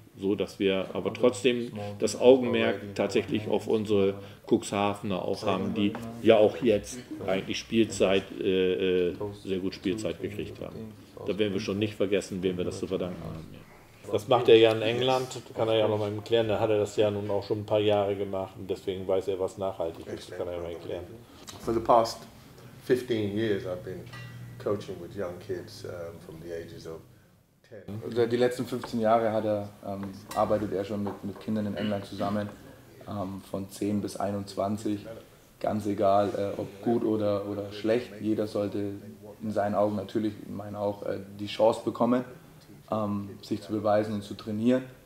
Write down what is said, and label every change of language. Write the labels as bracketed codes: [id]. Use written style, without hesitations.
[de] So, dass wir aber trotzdem das Augenmerk tatsächlich auf unsere Cuxhavener auch haben, die ja auch jetzt eigentlich Spielzeit, sehr gut Spielzeit gekriegt haben. Da werden wir schon nicht vergessen, wem wir das zu verdanken haben. Das macht er ja in England, kann er ja noch mal erklären. Da hat er das ja nun auch schon ein paar Jahre gemacht, und deswegen weiß er, was nachhaltig ist, kann er ja mal erklären. [en] For the past 15 years I've been coaching with young kids from the ages of... [de] Die letzten 15 Jahre arbeitet er schon mit Kindern in England zusammen, von 10 bis 21, ganz egal, ob gut oder schlecht. Jeder sollte in seinen Augen natürlich, in meinen auch, die Chance bekommen, sich zu beweisen und zu trainieren.